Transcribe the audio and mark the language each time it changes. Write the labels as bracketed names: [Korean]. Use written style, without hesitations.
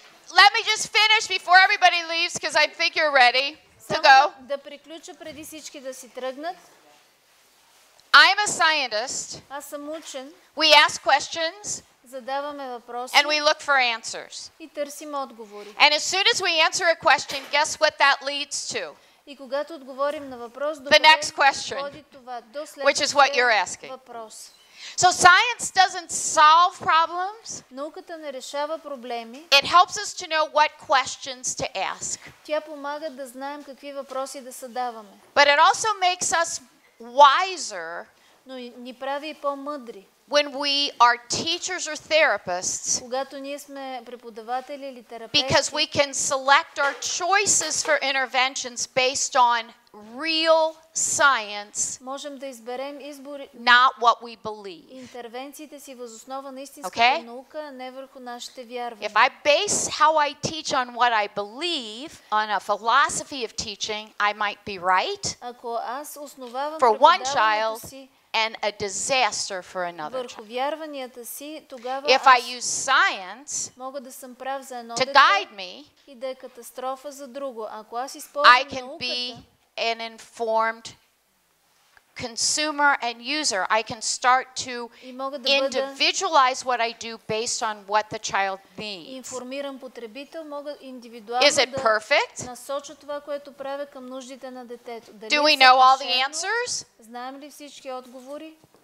[English] Let me just finish before everybody leaves because I think you're ready. [Bulgarian] Да приключа преди всички да си тръгнат. [English] I'm a scientist. [Bulgarian] Аз съм учен. [English] We ask questions. [Bulgarian] Задаваме въпроси. [English] And we look for answers. [Bulgarian] И търсим отговори. [English] And as soon as we answer a question, guess what that leads to? [Bulgarian] И когато отговорим на въпрос, до [English] the next question, [Bulgarian] води това до следващия, [English] which is what you're asking. [Bulgarian] Въпрос. [English] So science doesn't solve problems. [Bulgarian] Науката не решава проблеми. [English] It helps us to know what questions to ask. [Bulgarian] Тя помага да знаем какви въпроси да задаваме. [English] But it also makes us wiser. [Bulgarian] но ни прави и по-мъдри. [English] When we are teachers or therapists, [Bulgarian] когато ние сме преподаватели или терапевти, [English] because we can select our choices for interventions based on real science, [Bulgarian] можем да изберем избори, [English] not what we believe. [Bulgarian] Интервенциите си въз основа на истинската наука, не върху нашите вярвания. [English] If I base how I teach on what I believe, on a philosophy of teaching, I might be right. [Bulgarian] Ако аз основавам [English] for one child and a disaster for another. [Bulgarian] Върху вярванията си, тогава [English] if I use science, [Bulgarian] мога да съм прав за едно [English] to guide me, [Bulgarian] и да е катастрофа за друго. Ако аз използвам науката, [English] I can be an informed consumer and user. I can start to individualize what I do based on what the child needs. [Bulgarian] Информиран потребител, мога индивидуално да насоча това, което правя към нуждите на детето. [English] Do we know all the answers? [Bulgarian] Знаем ли всички отговори?